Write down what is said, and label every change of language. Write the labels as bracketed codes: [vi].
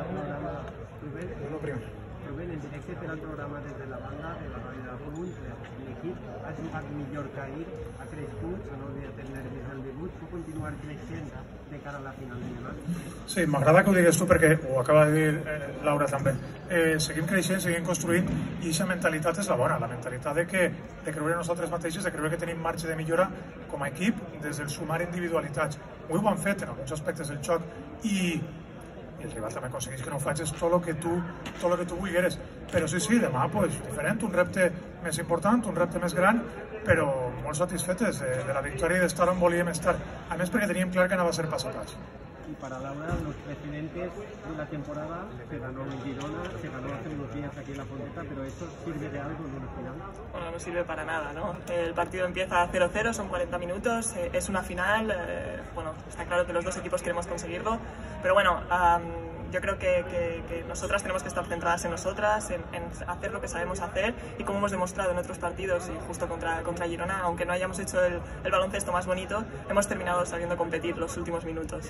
[es] Uno primero. Rubén, en directo esperando el programa desde la banda de la radio de la Bulls, el equipo ha jugado mejor que ayer, ha crecido, no voy a tener desde el debut, ¿puedo continuar creciendo de cara a la final de semana? Sí, me agrada que lo digas tú, porque lo acaba de decir Laura también. [ca] Seguim creixent, seguim construint i aquesta mentalitat és la bona, la mentalitat de creure nosaltres mateixos, de creure que tenim marge de millora com a equip des del sumar individualitats. Avui ho han fet en alguns aspectes del xoc i el rival també aconsegueix que no ho facis tot el que tu vulgueres. Però sí, sí, demà, pues, diferent, un repte més important, un repte més gran, però molt satisfetes de la victòria i d'estar on volíem estar. A més, perquè teníem clar que anava a ser pas a pas. [es] Y para Laura, los precedentes de la temporada, se ganó en Girona, se ganó hace unos días aquí en La Fonteta, pero ¿eso sirve de algo en una final? Bueno, no sirve para nada, ¿no? El partido empieza 0-0, son 40 minutos, es una final, bueno, está claro que los dos equipos queremos conseguirlo, pero bueno, yo creo que nosotras tenemos que estar centradas en nosotras, en hacer lo que sabemos hacer y como hemos demostrado en otros partidos y justo contra Girona, aunque no hayamos hecho el baloncesto más bonito, hemos terminado sabiendo competir los últimos minutos.